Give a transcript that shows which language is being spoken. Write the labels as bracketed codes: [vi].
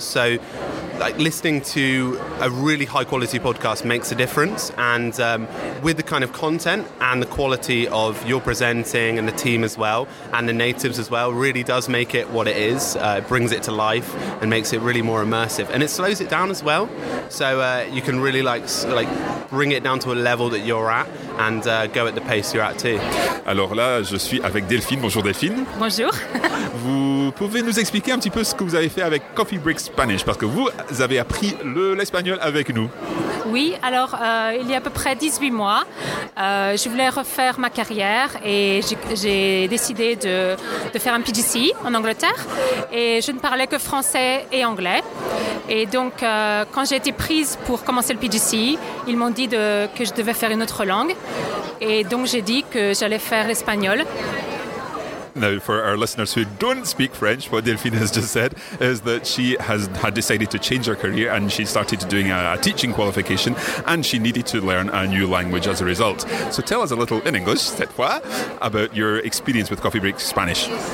[en] So like listening to a really high quality podcast makes a difference, and with the kind of content and the quality of your presenting and the team as well and the natives as well really does make it what it is. It brings it to life and makes it really more immersive, and it slows it down as well, so you can really like bring it down to a level that you're at and go at the pace you're at too. [fr] Alors là, je suis avec Delphine. Bonjour Delphine. Bonjour. Vous pouvez nous expliquer un petit peu ce que vous avez fait avec Coffee Break Spanish, parce que vous avez appris l'espagnol avec nous. Oui, alors il y a à peu près 18 mois, je voulais refaire ma carrière et j'ai décidé de faire un PGC en Angleterre, et je ne parlais que français et anglais. Et donc quand j'ai été prise pour commencer le PGC, ils m'ont dit que je devais faire une autre langue, et donc j'ai dit que j'allais faire l'espagnol. [en] Now, for our listeners who don't speak French, what Delphine has just said is that she had decided to change her career and she started doing a teaching qualification, and she needed to learn a new language as a result. So tell us a little in English, [fr] cette fois, [en] about your experience with Coffee Break Spanish.